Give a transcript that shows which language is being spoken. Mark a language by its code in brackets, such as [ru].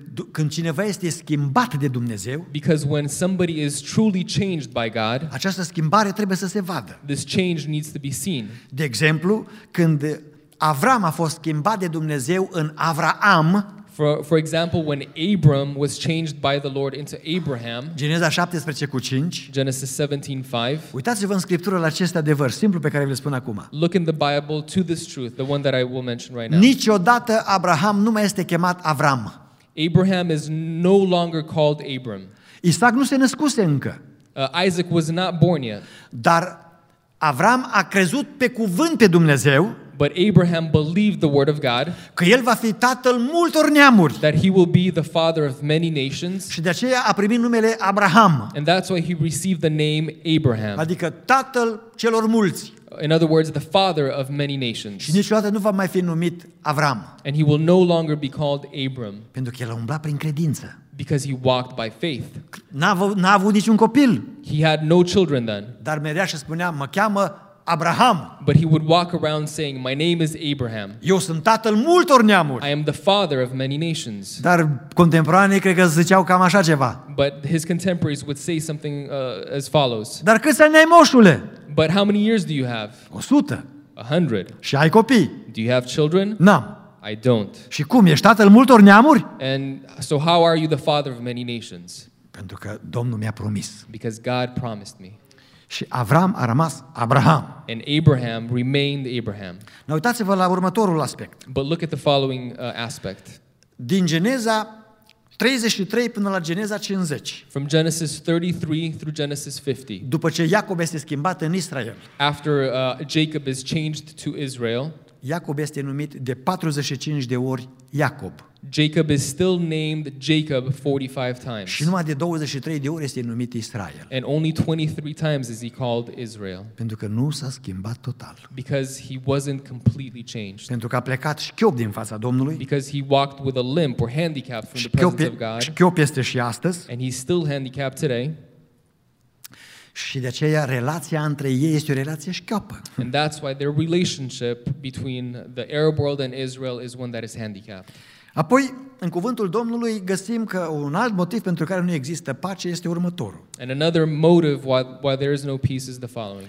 [ro] Când cineva este schimbat de Dumnezeu, [en] because when somebody is truly changed by God, [ro] această schimbare trebuie să se vadă. [en] This change needs to be seen. [ro] De exemplu, când Avram a fost schimbat de Dumnezeu în Avraam, [en] for example, when Abram was changed by the Lord into Abraham, [ro] Geneza 17:5, [en] Genesis 17:5, [ro] uitați-vă în Scriptură la acest adevăr simplu pe care vi-l spun acum. [en] Look in the Bible to this truth, the one that I will mention right now. [ro] Niciodată Abraham nu mai este chemat Avram. [en] Abraham is no longer called Abram. [ro] Isaac nu se născuse încă. [en] Isaac was not born yet. [ro] Dar Avram a crezut pe cuvânt pe Dumnezeu. [en] But Abraham believed the word of God. [ro] Că el va fi tatăl multor neamuri. [en] That he will be the father of many nations. [ro] Și de aceea a primit numele Abraham. [en] And that's why he received the name Abraham. [ro] Adică tatăl celor mulți. [en] In other words, the father of many nations. [ro] Și niciodată nu va mai fi numit Avram. [en] And he will no longer be called Abram. [ro] Pentru că el a umblat prin credință. [en] Because he walked by faith. [ro] N-a avut niciun copil. [en] He had no children then. [ro] Dar mergea și spunea, mă cheamă Abraham. [en] But he would walk around saying, my name is Abraham. [ro] Eu sunt tatăl multor neamuri. [en] I am the father of many nations. [ro] Dar contemporanii cred că ziceau cam așa ceva. [en] But his contemporaries would say something as follows. [ro] Dar câți ani ai, moșule? [en] But how many years do you have? [ro] 100. [en] 100. [ro] Și ai copii? [en] Do you have children? [ro] N-am. [en] I don't. [ro] Și cum, ești tatăl multor neamuri? [en] And so how are you the father of many nations? [ro] Pentru că Domnul mi-a promis. [en] Because God promised me. [ro] Și Avram a rămas Abraham. [en] And Abraham remained Abraham. Now, [ro] uitați-vă la următorul aspect. [en] But look at the following aspect. [ro] Din Geneza 33 până la Geneza 50. [en] From Genesis 33 through Genesis 50. [ro] După ce Iacob este schimbat în Israel. [en] After Jacob is changed to Israel. [ro] Iacob este numit de 45 de ori Iacob. [en] Jacob is still named Jacob 45 times. [ro] Și numai de 23 de ori este numit Israel. [en] And only 23 times is he called Israel. [ro] Pentru că nu s-a schimbat total. [en] Because he wasn't completely changed. [ro] Pentru că a plecat șchiop din fața Domnului. [en] Because he walked with a limp or handicapped from the presence of God. [ro] Șchiop este și astăzi. [en] And he's still handicapped today. [ro] Și de aceea relația între ei este o relație șchioapă. [en] And that's why their relationship between the Arab world and Israel is one that is handicapped. [ro] Apoi, în cuvântul Domnului, găsim că un alt motiv pentru care nu există pace este următorul. [en] And another motive why there is no peace is the following.